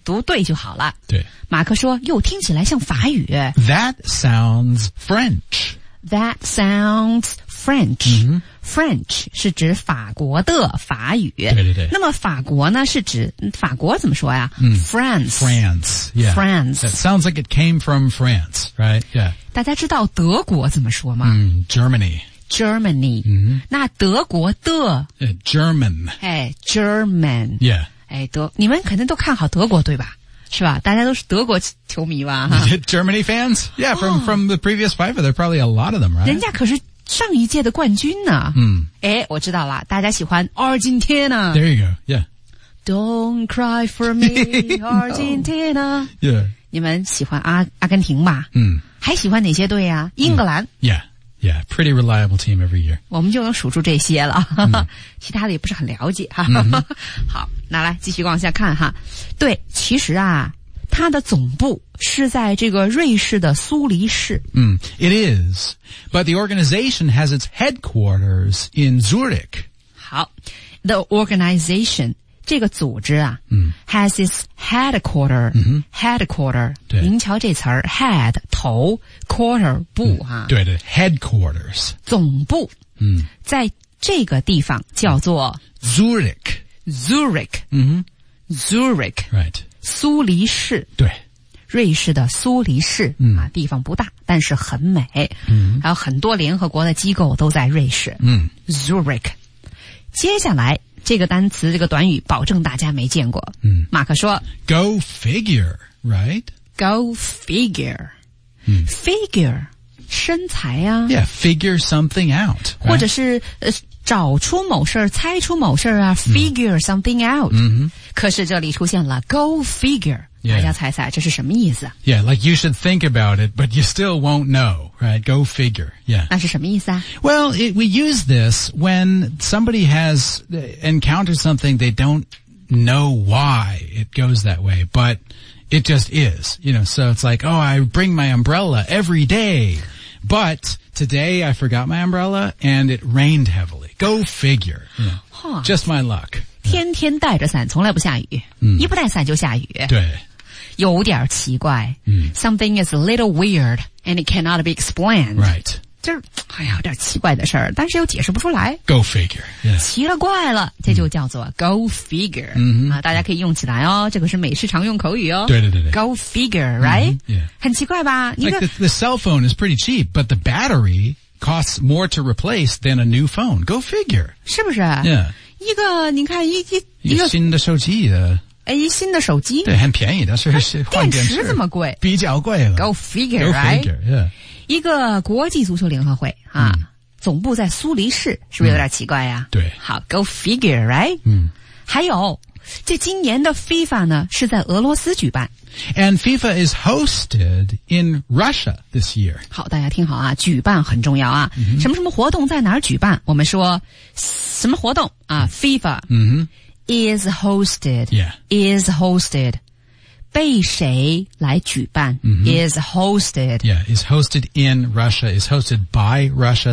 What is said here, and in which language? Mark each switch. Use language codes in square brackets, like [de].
[zh] 读对就好了对马克说又听起来像法语 [en] That sounds French That sounds French、 mm-hmm. [zh] French 是指法国的法语对对对那么法国呢是指法国怎么说呀、嗯、 [en] France France yeah. France That sounds like it came from France Right Yeah [zh] 大家知道德国怎么说吗、 [en] 嗯、Germany Germany、 mm-hmm. [zh] 那德国的 [en] German 哎 German Yeah [zh] 哎德你们肯定都看好德国对吧是吧大家都是德国球迷吧 [en] Germany fans Yeah from,、oh. from the previous FIFA There are probably a lot of them right [zh] 人家可是上一届的冠军呢嗯诶我知道了大家喜欢阿根廷呢 [en] There you go, yeah. Don't cry for me, 阿根廷呢 Yeah. [zh] 你们喜欢阿根廷吧嗯还喜欢哪些队啊英格兰、嗯、 [en] Yeah, yeah, pretty reliable team every year. [zh] 我们就能数住这些了、嗯、其他的也不是很了解哈、嗯、好那来继续往下看哈。对其实啊它的总部是在这个瑞士的苏黎世。 [en] 嗯、it is. But the organization has its headquarters in Zurich. [zh] 好 , [en] the organization, [zh] 这个组织啊、嗯、 [en] ,has its headquarter,、嗯、 headquarter, [zh] 对您瞧这词儿 ,head, 头 ,quarter, 部啊、嗯。对对 ,headquarters. 总部、嗯、在这个地方叫做 [en] Zurich. Zurich.、嗯、 Zurich. Right. [zh] 苏黎世。对。瑞士的苏黎世、嗯啊、地方不大但是很美、嗯、还有很多联合国的机构都在瑞士、嗯、 Zurich 接下来这个单词这个短语保证大家没见过、嗯、马克说 [en] Go figure, right? Go figure、嗯、 [zh] Figure 身材啊 [en] Yeah, figure something out、right? [zh] 或者是、找出某事猜出某事啊 Figure、嗯、 [en] something out、嗯、 [zh] 可是这里出现了 Go figureYeah. 大家猜猜这是什么意思 [en] Yeah, like you should think about it, but you still won't know, right? Go figure, yeah. [zh] 那是什么意思啊 [en] Well, we use this when somebody has encountered something they don't know why it goes that way, but it just is, you know, so it's like, oh, I bring my umbrella every day, but today I forgot my umbrella and it rained heavily. Go figure, yeah. Huh. Just my luck. [zh] 天天带着伞从来不下雨、嗯、一不带伞就下雨。对。有点奇怪、嗯、 [en] Something is a little weird And it cannot be explained Right [zh] 就是哎呀有点奇怪的事儿但是又解释不出来 [en] Go figure、yeah. [zh] 奇了怪了这就叫做 go figure、嗯啊、大家可以用起来哦这个是美式常用口语哦对对对对 [en] Go figure right、嗯 yeah. [zh] 很奇怪吧 [en] Like the cell phone is pretty cheap But the battery costs more to replace Than a new phone Go figure [zh] 是不是 [en] Yeah [zh] 一个你看一个新的手机的哎，新的手机对，很便宜，但是换电池这么贵，比较贵了。 [en] Go figure, Go figure, yeah. [zh] 一个国际足球联合会啊、嗯，总部在苏黎世，是不是有点奇怪呀、啊嗯？对， [en] 好 ，Go figure, right? 嗯， [zh] 还有，这今年的 FIFA 呢是在俄罗斯举办 [en] ，and FIFA is hosted in Russia this year. [zh] 好，大家听好啊，举办很重要啊，嗯、什么什么活动在哪儿举办？我们说什么活动啊 ？FIFA，嗯哼。 [en] Is hosted. Yeah. Is hosted. [zh] 被谁来举办、 mm-hmm. [en] Is hosted. Yeah. Is hosted in Russia. Is hosted by Russia.